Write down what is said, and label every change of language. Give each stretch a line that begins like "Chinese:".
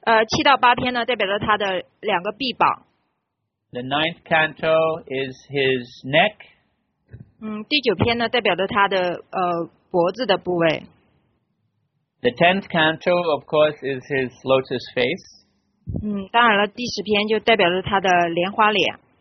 Chinese: 七到八篇呢代表着他的两个臂膀。
English: The ninth canto is his neck.
Chinese: 第九篇呢代表着他的脖子的部位。
English: The tenth canto, of course, is his lotus face.
Chinese: 当然了，第十篇就代表着他的莲花脸。